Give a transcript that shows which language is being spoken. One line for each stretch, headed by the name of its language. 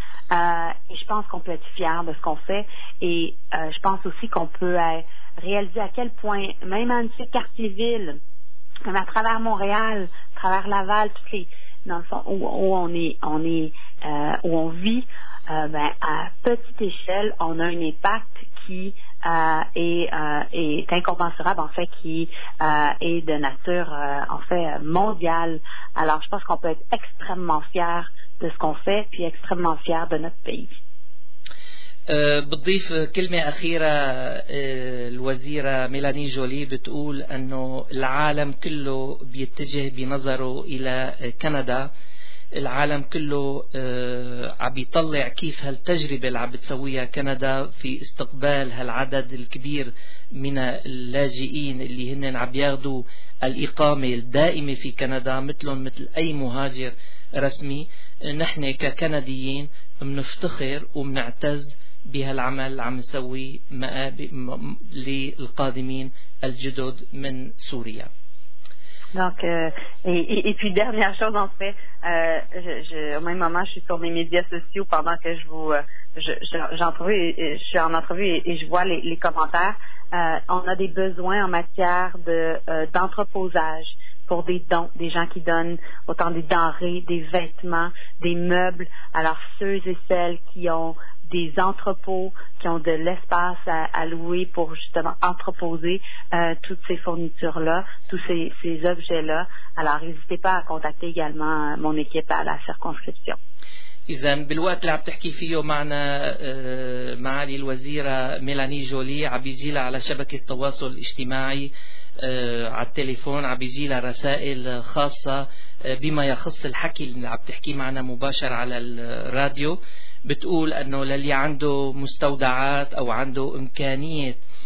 French: Et je pense qu'on peut être fier de ce qu'on fait et je pense aussi qu'on peut réaliser à quel point, même en ce quartier-ville, comme à travers Montréal, à travers Laval, toutes les, dans le fond, où on est, où on vit, à petite échelle, on a un impact qui est incommensurable, en fait, qui est de nature, en fait, mondiale. Alors, je pense qu'on peut être extrêmement fier de ce qu'on fait, puis extrêmement fier de notre pays.
Arabic: بتضيف كلمة أخيرة الوزيرة ميلاني جولي، بتقول أنه العالم كله بيتجه بنظره إلى كندا، العالم كله عم يطلع كيف هالتجربة اللي عم بتسويها كندا في استقبال هالعدد الكبير من اللاجئين اللي هن عم ياخذوا الإقامة الدائمة في كندا مثلهم مثل أي مهاجر رسمي. نحن ككنديين منفتخر ومنعتز بهالعمل اللي عم نسوي للقادمين الجدد من سوريا.
French: Donc et puis dernière chose, en fait, au même moment, je suis sur mes médias sociaux pendant que je vous je suis en entrevue et je vois les commentaires. On a des besoins en matière de d'entreposage pour des dons, des gens qui donnent autant des denrées, des vêtements, des meubles. Alors, ceux et celles qui ont des entrepôts, qui ont de l'espace à louer pour justement entreposer toutes ces fournitures-là, tous ces objets-là. Alors, n'hésitez pas à contacter également mon équipe à la circonscription.
Arabic: إذن بالوقت اللي عم تحكي فيه معنا معالي الوزيرة ميلاني جولي عم بيجيلها على شبكة التواصل الاجتماعي على التليفون عم بيجيلها رسائل خاصة بما يخص الحكي اللي عم تحكي معنا مباشر على الراديو بتقول أنه للي عنده مستودعات أو عنده إمكانية